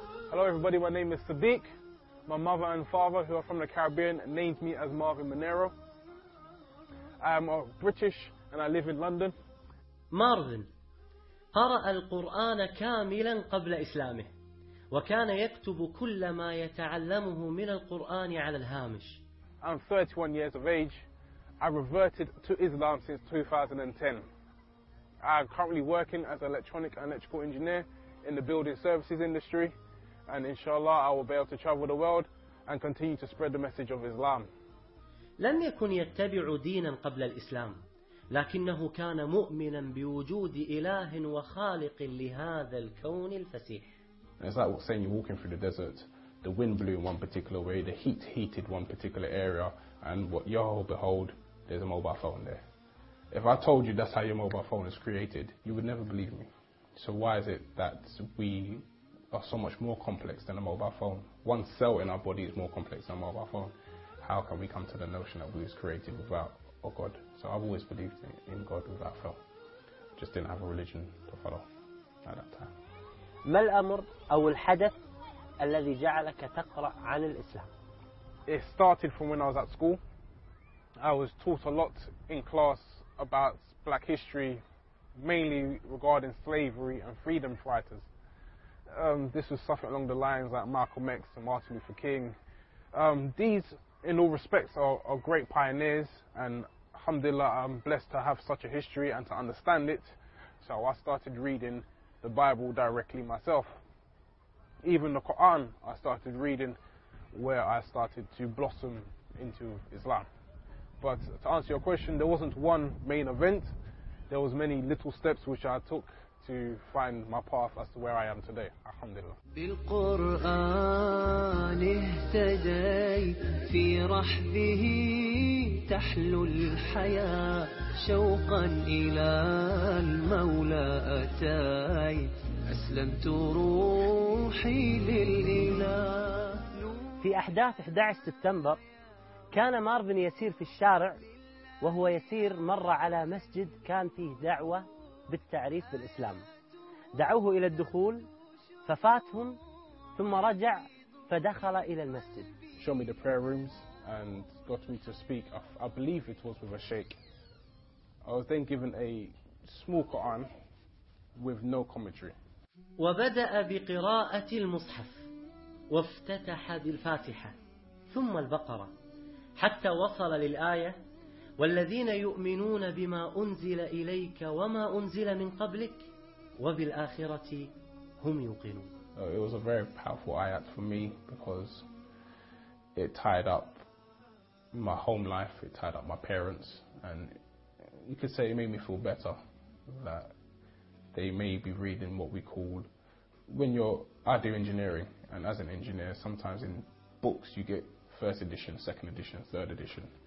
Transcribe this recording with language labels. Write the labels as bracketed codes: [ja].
[en] Hello everybody, my name is Sadiq. My mother and father, who are from the Caribbean, named me as Marvin Monero. I'm British and I live in London. [ar] Marvin قرأ القرآن كاملا قبل إسلامه وكان يكتب كل ما يتعلمه من القرآن على الهامش. [en] I'm 31 years of age. I reverted to Islam since 2010. I'm currently working as an electronic and electrical engineer in the building services industry, and inshallah I will be able to travel the world and continue to spread the message of Islam. [ar] لم يكن يتبع دينا قبل الإسلام لكنه كان مؤمنا بوجود إله وخالق لهذا الكون الفسيح. [en] It's like saying you're walking through the desert, the wind blew in one particular way, the heat heated one particular area, and what y'all behold, there's a mobile phone there. If I told you that's how your mobile phone is created, you would never believe me. So why is it that we are so much more complex than a mobile phone? One cell in our body is more complex than a mobile phone. How can we come to the notion that we was created without a God? So I've always believed in God without faith. Just didn't have a religion to follow at that time. [ar] ما الأمر أو الحدث الذي جعلك تقرأ عن الإسلام؟ [en] It started from when I was at school. I was taught a lot in class about black history, mainly regarding slavery and freedom fighters. This was something along the lines like Malcolm X and Martin Luther King. These, in all respects, are great pioneers, and alhamdulillah, I'm blessed to have such a history and to understand it. So I started reading the Bible directly myself. Even the Quran, I started reading where I started to blossom into Islam. But to answer your question, there wasn't one main event. There was many little steps which I took to find my path as to where I am today. [ar] Alhamdulillah. بالقرآن اهتدي في رحبه تحلو الحياة شوقا إلى المولى أتاي أسلمت روحي لله. في أحداث 11 سبتمبر كان مارفن يسير في الشارع وهو يسير مرة على مسجد كان فيه دعوة بالتعريف بالإسلام. دعوه إلى الدخول ففاتهم ثم رجع فدخل إلى المسجد. [en] Show me the prayer rooms and got me to speak. I believe it was with a sheikh. I was then given a small Quran with no commentary. [ar] وبدأ بقراءة المصحف وافتتح بالفاتحة ثم البقرة حتى وصل للآية والذين يؤمنون بما أنزل إليك وما أنزل من قبلك وبالآخرة هم يوقنون. [en] It was a very powerful ayat for me because it tied up my home life, it tied up my parents, and you could say it made me feel better that they may be reading what we call, when you're, I do engineering, and as an engineer sometimes in books you get first edition, second edition, third edition.